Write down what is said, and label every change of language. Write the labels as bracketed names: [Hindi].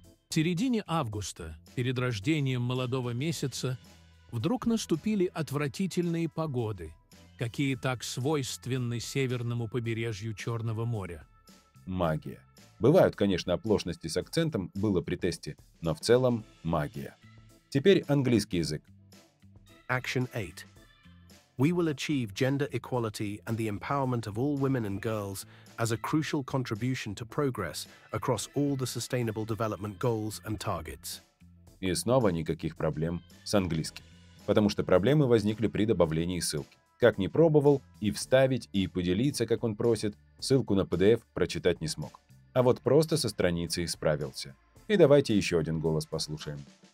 [Russian] В середине августа, перед рождением молодого месяца, вдруг наступили отвратительные погоды, какие так свойственны северному побережью Черного моря. Магия. Бывают, конечно, оплошности с акцентом, было при тесте, но в целом магия. Теперь английский язык. [English] Action 8. We will achieve gender equality and the empowerment of all women and girls as a crucial contribution to progress across all the sustainable development goals and targets. [Russian] И снова никаких проблем с английским, потому что проблемы возникли при добавлении ссылки. Как ни пробовал, и вставить, и поделиться, как он просит, ссылку на PDF прочитать не смог. А вот просто со страницей справился. И давайте еще один голос послушаем.